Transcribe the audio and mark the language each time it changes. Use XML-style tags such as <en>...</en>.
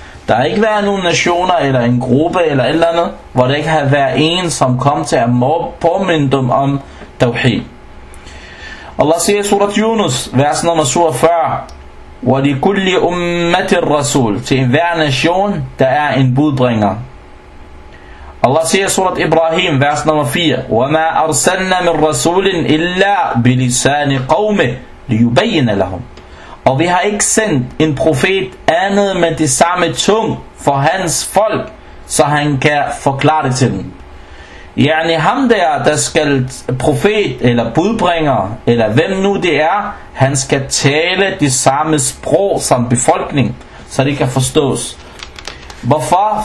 <da>Der har ikke været nogen nationer eller en gruppe eller et eller andet, hvor der ikke har været en, som kom til at påminde dem om tawhid. Allah siger i surat Yunus, vers nummer 47,</da> <ar>وَلِكُلِّ أُمَّةِ الرَّسُولِ,</ar> <da>til enhver nation, der er en budbringer. Allah siger i surat Ibrahim, vers nummer 4,</da> <ar>وَمَا أَرْسَلْنَا مِنْ رَسُولٍ إِلَّا بِلِسَانِ قَوْمِ لِيُبَيِّنَ لَهُمْ.</ar> <da>Og vi har ikke sendt en profet andet med det samme tung for hans folk, så han kan forklare det til dem. Yani ham der skal profet eller budbringer, eller hvem nu det er, han skal tale det samme sprog som befolkning, så det kan forstås. Hvorfor?</da>